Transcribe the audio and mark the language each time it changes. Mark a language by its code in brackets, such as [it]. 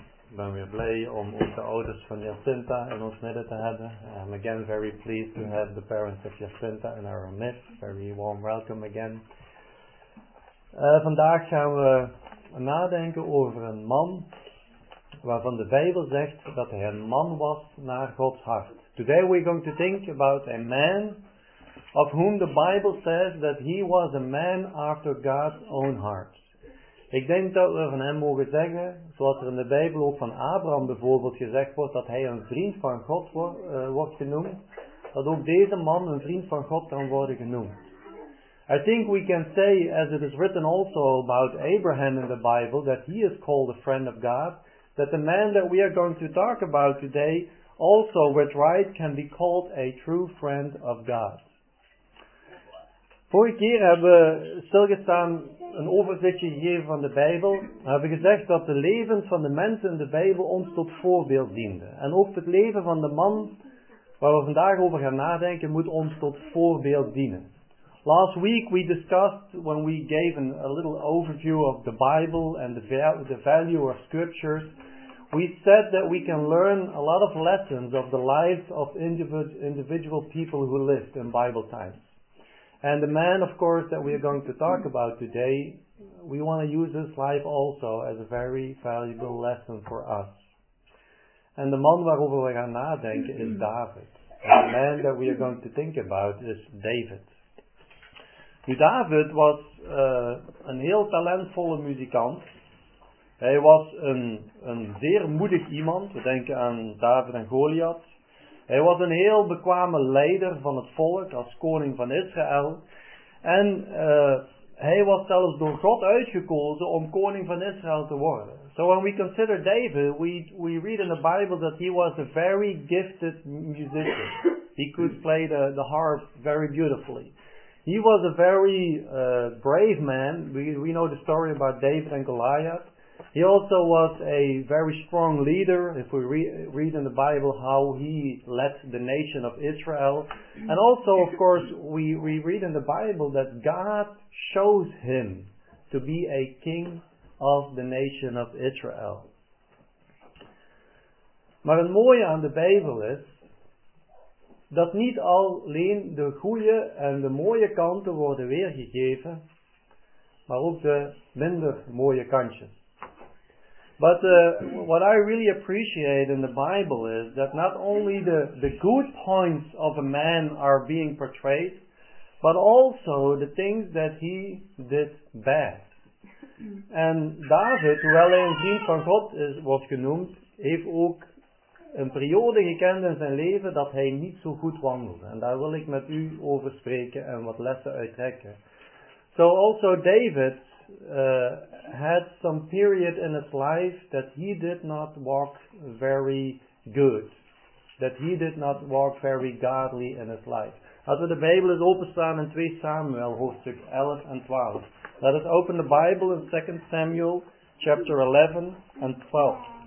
[nl] Ik ben weer blij om onze ouders van Jacinta in ons midden te hebben. [en] I'm again very pleased to have the parents of Jacinta in our midst. Very warm welcome again. [nl] Vandaag gaan we nadenken over een man waarvan de Bijbel zegt dat hij een man was naar Gods hart. [en] Today we're going to think about a man of whom the Bible says that he was a man after God's own heart. [nl] Ik denk dat we van hem mogen zeggen, zoals er in de Bijbel ook van Abraham bijvoorbeeld gezegd wordt, dat hij een vriend van God wordt genoemd, dat ook deze man een vriend van God kan worden genoemd. [en] I think we can say, as it is written also about Abraham in the Bible, that he is called a friend of God, that the man that we are going to talk about today, also with right, can be called a true friend of God. [nl] Vorige keer hebben we stilgestaan een overzichtje gegeven van de Bijbel. We hebben gezegd dat de levens van de mensen in de Bijbel ons tot voorbeeld dienden. En ook het leven van de man waar we vandaag over gaan nadenken moet ons tot voorbeeld dienen. [en] Last week we discussed when we gave a little overview of the Bible and the value of scriptures. We said that we can learn a lot of lessons of the lives of individual people who lived in Bible times. And the man, of course, that we are going to talk about today, we want to use his life also as a very valuable lesson for us. And the man [nl] waarover we gaan nadenken is David. [en] And the man that we are going to think about is David. [nl] Nu, David was een heel talentvolle muzikant. Hij was een zeer moedig iemand. We denken aan David en Goliath. Hij was een heel bekwame leider van het volk als koning van Israël. En hij was zelfs door God uitgekozen om koning van Israël te worden. [en] So when we consider David, we read in the Bible that he was a very gifted musician. He could play the harp very beautifully. He was a very brave man. We know the story about David and Goliath. He also was a very strong leader, if we read in the Bible how he led the nation of Israel. And also, of course, we read in the Bible that God shows him to be a king of the nation of Israel. [nl] Maar het mooie aan de Bijbel is dat niet alleen de goede en de mooie kanten worden weergegeven, maar ook de minder mooie kantjes. [en] But what I really appreciate in the Bible is that not only the good points of a man are being portrayed, but also the things that he did bad. [nl] En David, hoewel hij een vriend van God was genoemd, heeft ook een periode gekend in zijn leven dat hij niet zo goed wandelde. En daar wil ik met u over spreken en wat lessen uittrekken. [en] So also David had some period in his life that he did not walk very good. That he did not walk very godly in his life. [nl] Als we de Bijbel eens openstaan in 2 Samuel, hoofdstuk 11 en 12. [en] Let us open the Bible in 2 Samuel, chapter 11 and 12.